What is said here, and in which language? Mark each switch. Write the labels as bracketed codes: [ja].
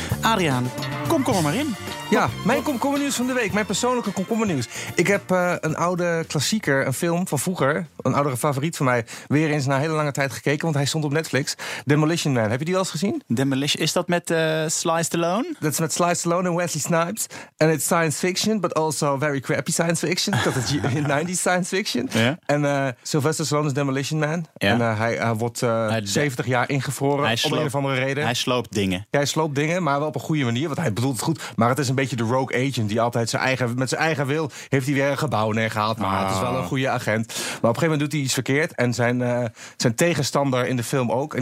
[nl] Adriaan, komkommer maar in. Ja, mijn komkommernieuws van de week, mijn persoonlijke komkommernieuws. Ik heb een oude klassieker, een film van vroeger, een oudere favoriet van mij, weer eens na hele lange tijd gekeken, want hij stond op Netflix. Demolition Man, heb je die al eens gezien? Demolition, is dat met Sly Stallone? Dat is met Sly Stallone en Wesley Snipes. [en] En it's science fiction, but also very crappy science fiction. [nl] Dat is 90s science fiction. En Sylvester Stallone is Demolition Man. Yeah. En hij wordt 70 jaar ingevroren, om een of andere reden. Hij sloopt dingen. Ja, hij sloopt dingen, maar wel op een goede manier, want hij bedoelt het goed, maar het is een beetje de rogue agent die altijd met zijn eigen wil heeft hij weer een gebouw neergehaald. Maar het is wel een goede agent. Maar op een gegeven moment doet hij iets verkeerd en zijn tegenstander in de film ook.